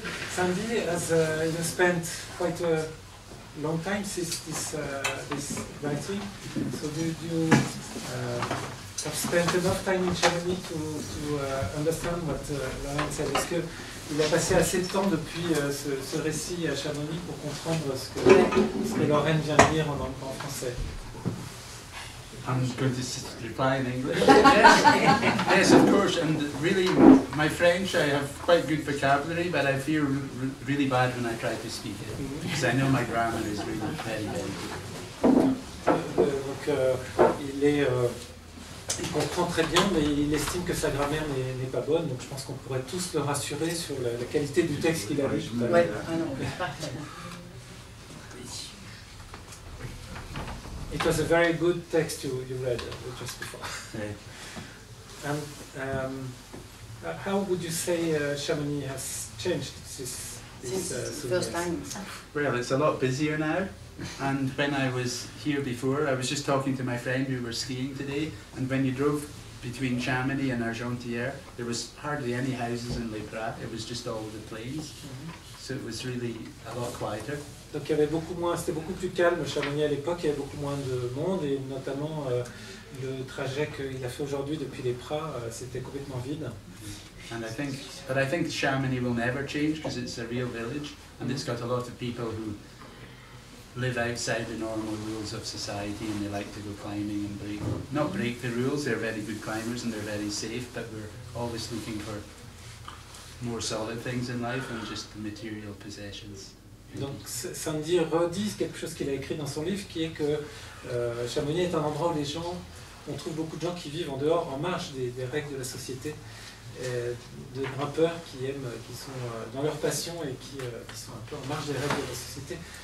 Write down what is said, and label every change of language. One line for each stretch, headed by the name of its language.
English: Sandy, as you spent quite a long time since this this writing, so do you have spent enough time in Germany to understand what Laurent said?
French: Est-ce qu'il a passé assez de temps depuis ce récit à Chamonix pour comprendre ce que Laurent vient de dire en français?
English: I'm going to reply in English. Yes, of course. And really, my French, I have quite good vocabulary, but I feel really bad when I try to speak it, because I know my grammar is really very, very good.
French: Donc, il comprend très bien, mais il estime que sa grammaire n'est pas bonne. Donc, je pense qu'on pourrait tous le rassurer sur la qualité du texte qu'il a lu. Oui, parfait.
English: It was a very good text you read just before. Yeah. And how would you say Chamonix has changed since the first time? Well, it's a lot busier now. And when I was here before, I was just talking to my friend who were skiing today. And when you drove between Chamonix and Argentière, there was hardly any houses in Les Prats. It was just all the plains. Mm-hmm. So it was really a lot quieter.
French: Donc il y avait beaucoup moins, c'était beaucoup plus calme Chamonix à l'époque, il y avait beaucoup moins de monde et notamment le trajet qu'il a fait aujourd'hui depuis les Prats, c'était complètement vide.
English: And I think Chamonix will never change because it's a real village and it's got a lot of people who live outside the normal rules of society and they like to go climbing and not break the rules, they're very good climbers and they're very safe, but we're always looking for more solid things in life than just the material possessions.
French: Donc Sandy redit quelque chose qu'il a écrit dans son livre, qui est que Chamonix est un endroit où on trouve beaucoup de gens qui vivent en dehors, en marge des règles de la société, de grimpeurs qui sont dans leur passion et qui sont un peu en marge des règles de la société.